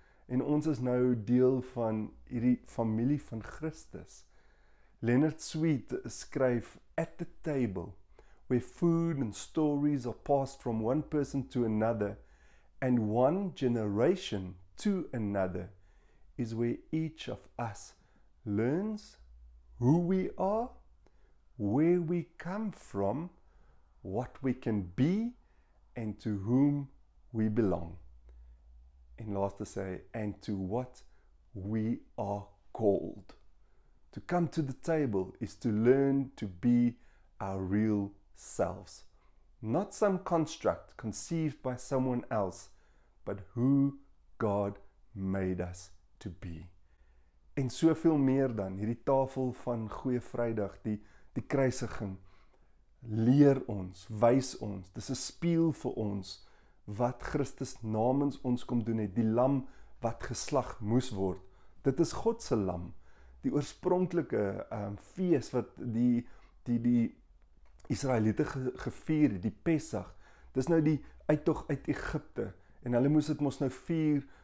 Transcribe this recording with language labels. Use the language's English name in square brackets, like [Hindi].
[Afrikaans] En ons is nou deel van hierdie familie van Christus. [English] Leonard Sweet [Afrikaans] skryf, [English] At the table, where food and stories are passed from one person to another, and one generation to another, is where each of us learns who we are, where we come from, what we can be, and to whom we belong. And last to say, and to what we are called. To come to the table is to learn to be our real selves. Not some construct conceived by someone else, but who God made us to be. [Afrikaans] En soveel meer dan, hierdie tafel van Goeie Vrydag, die kruisiging, leer ons, wys ons, dis 'n spieël vir ons, wat Christus namens ons kom doen het, die lam wat geslag moes word. Dit is God se lam. Die oorspronklike fees wat die Israeliete gevier, die Pesach. Dis nou die uittog uit Egipte en hulle moes dit mos nou vier